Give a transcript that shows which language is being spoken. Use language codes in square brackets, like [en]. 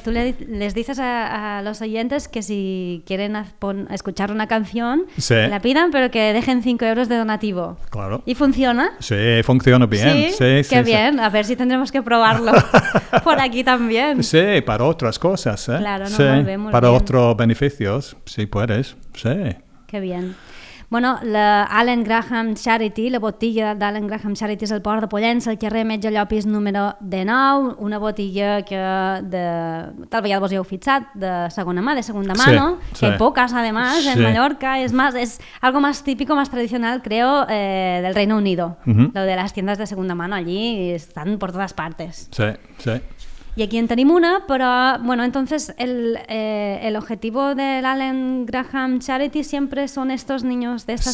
[es] Tú les dices a los oyentes que si quieren escuchar una canción, sí, la pidan, pero que dejen 5 euros de donativo. Claro. ¿Y funciona? Sí, funciona bien. Sí, sí, qué sí, bien. Sí. A ver si tendremos que probarlo por aquí también. Sí, para otras cosas. ¿Eh? Claro, no, sí, muy para bien. Otros beneficios, si puedes. Sí. Qué bien. [ca] Bueno, la Allen Graham Charity, la botiga d'Allen Graham Charity és el Port de Pollença, el carrer Metge Llopis número 19, una botiga que tal vegada vos hi heu fixat, de segunda mà, sí, no? Sí. En poques, además, sí, [es] en Mallorca, és algo más típico, más tradicional, creo, del Reino Unido, uh-huh, lo de las tiendas de segunda mano, allí están por todas partes. Sí, sí. Y aquí [ca] en tenim una, [es] pero bueno, entonces el objetivo del Allen Graham Charity siempre son estos niños de estas